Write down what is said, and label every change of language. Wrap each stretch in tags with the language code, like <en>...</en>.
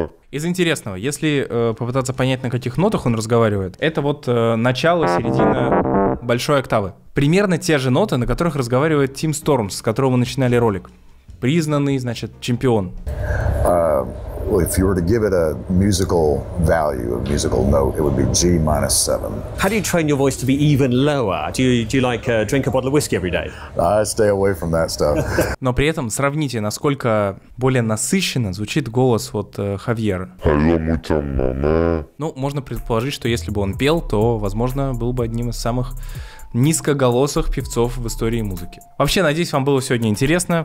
<ru>Из интересного, если попытаться понять, на каких нотах он разговаривает, это вот начало, середина большой октавы. Примерно те же ноты, на которых разговаривает Тим Стормс, с которого мы начинали ролик. Признанный, значит, чемпион.</ru> <en>If you were to give it a musical value, a musical note, it would be G minus 7. How do you train your voice to be even lower? Do you like drink a bottle of whiskey every day? I stay away from that stuff.</en> <ru>Но при этом сравните, насколько более насыщенно звучит голос вот Хавьера. Hello, mucho, ну, можно предположить, что если бы он пел, то, возможно, был бы одним из самых низкоголосых певцов в истории музыки. Вообще, надеюсь, вам было сегодня интересно.</ru>